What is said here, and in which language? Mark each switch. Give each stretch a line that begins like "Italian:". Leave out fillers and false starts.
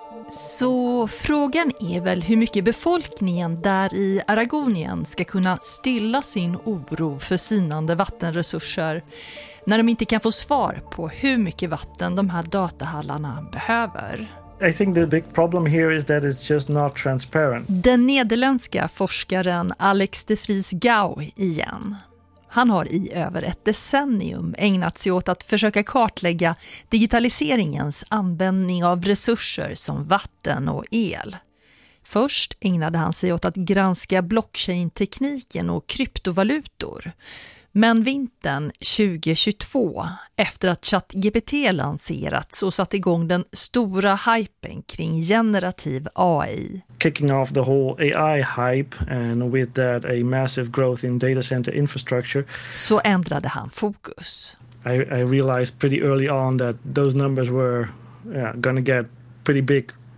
Swedish: Så frågan är väl hur mycket befolkningen där i Aragonien ska kunna stilla sin oro för sinande vattenresurser när de inte kan få svar på hur mycket vatten de här datahallarna behöver.
English: I think the big problem here is that it's just not transparent.
Swedish: Den nederländska forskaren Alex de Vries Gouw igen. Han har i över ett decennium ägnat sig åt att försöka kartlägga digitaliseringens användning av resurser som vatten och el. Först ägnade han sig åt att granska blockchain-tekniken och kryptovalutor. Men vintern 2022, efter att ChatGPT lanserats och satt igång den stora hypen kring generativ AI.
English: Kicking off the whole AI hype and with that a massive growth in data center infrastructure.
Swedish: Så ändrade han fokus.
English: I realized pretty early on that those numbers were gonna get pretty big.